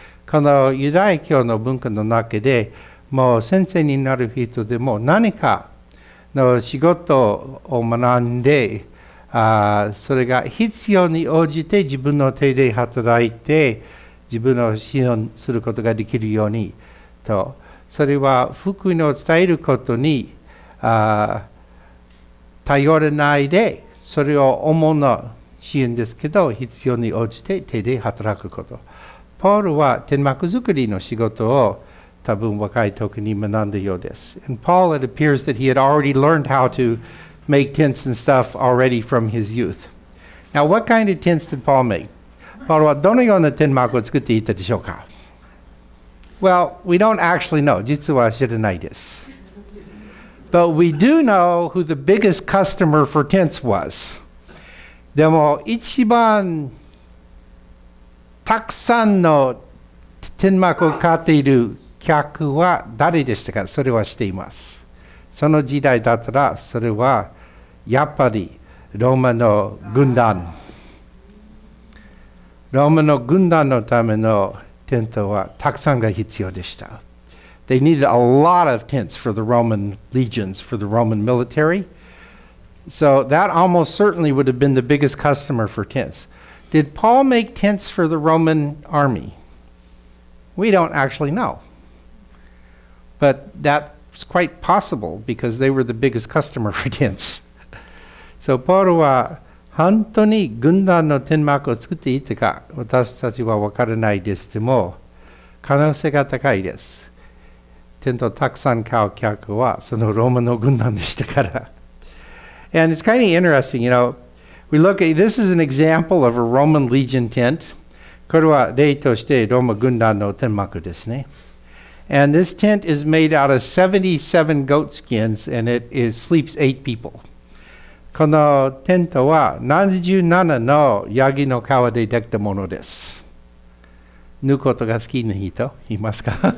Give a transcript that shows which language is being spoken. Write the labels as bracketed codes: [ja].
[ja] このユダヤ教の文化の中で、もう先生になる人でも何かの仕事を学んで、それが必要に応じて自分の手で働いて、自分を支援することができるようにと、それは福音を伝えることに頼らないで、それを主な支援ですけど必要に応じて手で働くこと。ポールは天幕作りの仕事を多分若い時に学んだようです。 [en] And Paul, it appears that he had already learned how to make tents and stuff already from his youth. Now, what kind of tents did Paul make? [ja] パウロはどのような天幕を作っていたでしょうか? [en] Well, we don't actually know. [ja] 実は知らないです。 [en] But we do know who the biggest customer for tents was. [ja] でも一番たくさんの天幕を買っている客は誰でしたか? それは知っています。その時代だったらそれはやっぱりローマの軍団。ローマの軍団のためのテントはたくさんが必要でした。 [en] They needed a lot of tents for the Roman legions, for the Roman military. So that almost certainly would have been the biggest customer for tents. Did Paul make tents for the Roman army? We don't actually know. But that's quite possible because they were the biggest customer for tents. [ja] So Paul は本当に軍団の天幕を作っていたか、私たちは分からないですけども、可能性が高いです。テントをたくさん買う客はそのローマの軍団でしたから。 [en] And it's kind of interesting, you know, we look at, this is an example of a Roman legion tent. [ja] これは例としてローマ軍団の天幕ですね。 [en] And this tent is made out of 77 goat skins and it sleeps 8 people. [ja] このテントは77のヤギの皮でできたものです。縫うことが好きな人いますか？